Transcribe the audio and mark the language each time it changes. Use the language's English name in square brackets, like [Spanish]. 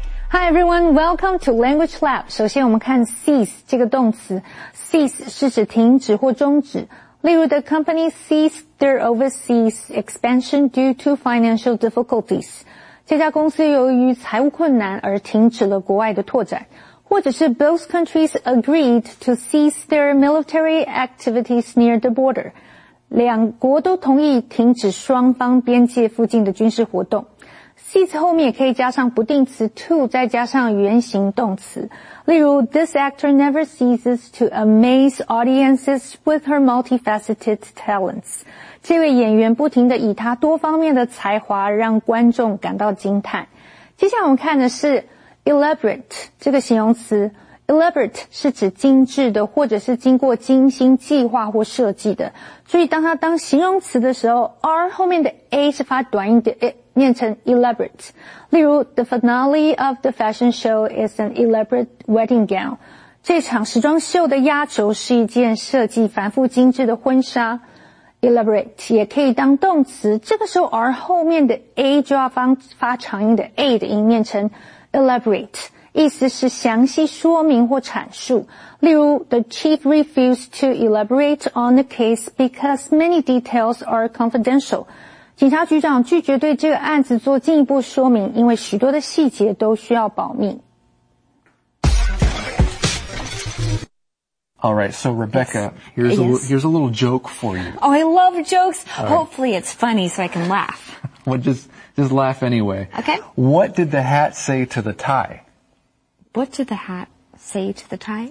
[English] Hi everyone, welcome to Language Lab. [Chinese] 首先我们看 cease 这个动词。 cease 是指停止或终止。例如 [English] the company ceased their overseas expansion due to financial difficulties. [Chinese] 这家公司由于财务困难而停止了国外的拓展。或者是 [English] both countries agreed to cease their military activities near the border. [Chinese] 两国都同意停止双方边界附近的军事活动。 Cease 后面也可以加上不定词 to 再加上原形动词。例如 [English] This actor never ceases to amaze audiences with her multifaceted talents. [Chinese] 这位演员不停地以他多方面的才华让观众感到惊叹。接下来我们看的是 elaborate 这个形容词。 Elaborate 是指精致的或者是经过精心计划或设计的。所以当它当形容词的时候 ,R 后面的 A 是发短音的 A。念成 elaborate. 例如 [English] the finale of the fashion show is an elaborate wedding gown. [Chinese] 这场时装秀的压轴是一件设计繁复精致的婚纱。 elaborate 也可以当动词，这个时候 R 后面的 A 就要发长音的 A 的音，念成 elaborate， 意思是详细说明或阐述。例如 [English] the chief refused to elaborate on the case because many details are confidential. [Chinese] 警察局长拒绝对这个案子做进一步说明，因为许多的细节都需要保密。 [English] All right, so Rebecca, here's a little joke for you. Oh, I love jokes. Right. Hopefully it's funny so I can laugh. Well, just laugh anyway. Okay. What did the hat say to the tie? What did the hat say to the tie?